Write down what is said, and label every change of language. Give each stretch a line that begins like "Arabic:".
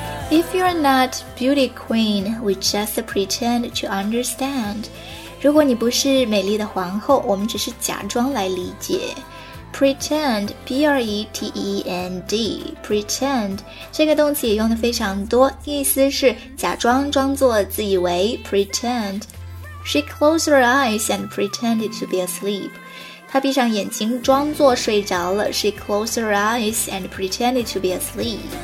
English: If you're not beauty queen, we just pretend to understand.
Chinese: 如果你不是美丽的皇后，我们只是假装来理解。 Pretend, P-R-E-T-E-N-D, pretend, 这个动词也用的非常多意思是假装装作自以为 pretend.
English: She closed her eyes and pretended to be asleep.
Chinese: 他闭上眼睛装作睡着了。
English: She closed her eyes and pretended to be asleep.